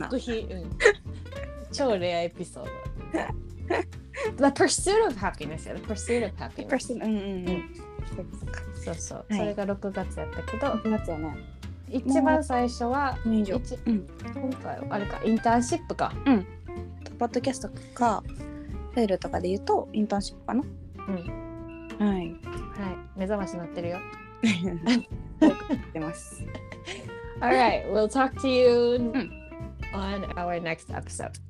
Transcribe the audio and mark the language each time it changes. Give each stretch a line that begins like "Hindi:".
Japanese: 極秘、うん、超レアエピソード。
English: The pursuit of happiness, yeah, the pursuit of happiness. The pursuit, うんうん、うん、
Japanese: そうそう、はい、それが6月やったけど、 6月やね。一番最初は、うん、今回はあれか、インターンシップか。うん。ポッドキャストか、フェールとかで言うと、インターンシップかな。うん。はい。はい、目覚まし鳴ってるよ。僕、出ます。
English: All right, we'll talk to you on our next episode.